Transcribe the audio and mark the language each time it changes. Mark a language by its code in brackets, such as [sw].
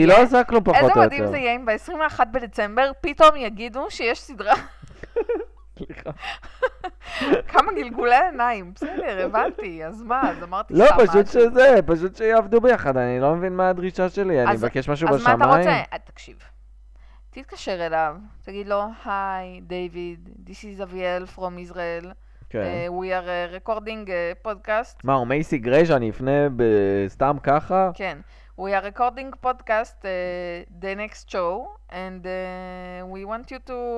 [he] היא לא עושה כלום פחות או יותר. איזה מדהים זה יהיה אם ב-21 בדצמבר פתאום יגידו שיש סדרה. כמה גלגולי עיניים, בסדר, הבנתי, אז מה, אז אמרתי לא, פשוט שזה, פשוט שיעבדו ביחד, אני לא מבין מה הדרישה שלי, אני מבקש משהו בשמיים. אז מה אתה רוצה? תקשיב, תתקשר אליו, תגיד לו, היי, דיוויד, [en] this is Aviel from Israel, we are recording podcast. [he] מה, הוא מייסי גרי שאני אפנה בסתם ככה? [en] כן, we are recording podcast the next show, and we want you to...